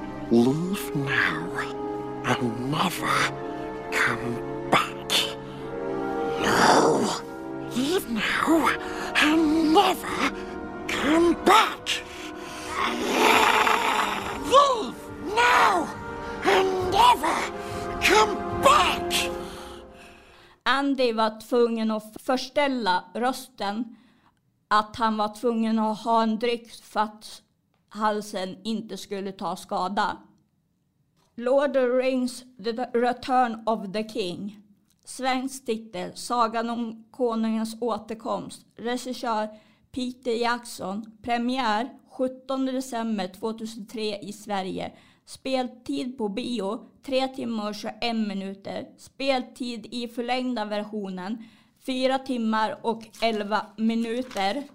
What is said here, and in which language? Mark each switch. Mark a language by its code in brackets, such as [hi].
[en] Leave now and never come back. No, leave now and never come back. Leave now and never come back. [sv] Andy var tvungen att förställa rösten, att han var tvungen att ha en dryck för att halsen inte skulle ta skada. [en] Lord of the Rings, The Return of the King. [sv] Svensk titel, Sagan om konungens återkomst. Regissör Peter Jackson. Premiär 17 december 2003 i Sverige. Speltid på bio, 3 timmar och 21 minuter. Speltid i förlängda versionen, 4 timmar och 11 minuter.